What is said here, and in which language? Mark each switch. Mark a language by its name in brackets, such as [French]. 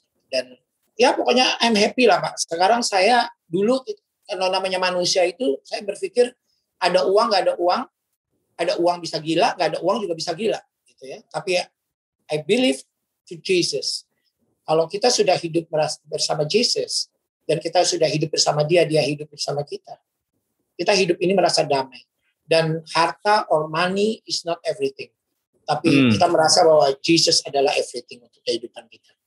[Indonesian] Dan ya pokoknya [English] I'm happy [Indonesian] lah Pak. Sekarang saya dulu, karena namanya manusia itu, saya berpikir ada uang, gak ada uang. Ada uang bisa gila, gak ada uang juga bisa gila. Gitu ya. Tapi [English] I believe to Jesus. [Indonesian] Kalau kita sudah hidup bersama Jesus, dan kita sudah hidup bersama dia, dia hidup bersama kita. Kita hidup ini merasa damai. Dan harta [English] or money is not everything. [Indonesian] Tapi kita merasa bahwa Jesus adalah everything untuk kehidupan kita.